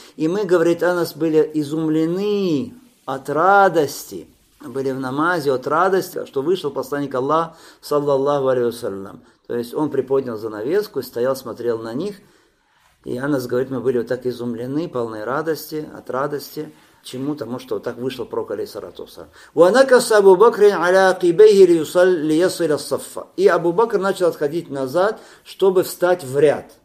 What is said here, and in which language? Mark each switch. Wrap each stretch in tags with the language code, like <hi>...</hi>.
<ru>И мы, говорит Анас, были изумлены от радости, были в намазе от радости, что вышел посланник Аллаха,</ru> <ar>صلى الله عليه وسلم.</ar> <ru>То есть он приподнял занавеску и стоял, смотрел на них. И Анас говорит, мы были вот так изумлены, полны радости, от радости. Чему? Тому, что вот так вышел пророк, алейхиссалату вассалям.</ru> <ar>وَنَكَسَ Абу Бакрин عَلَىٰ قِبَيْهِ لِيَصِلَ الصَّفَّ.</ar> <ru>И Абу Бакр начал отходить назад, чтобы встать в ряд.</ru>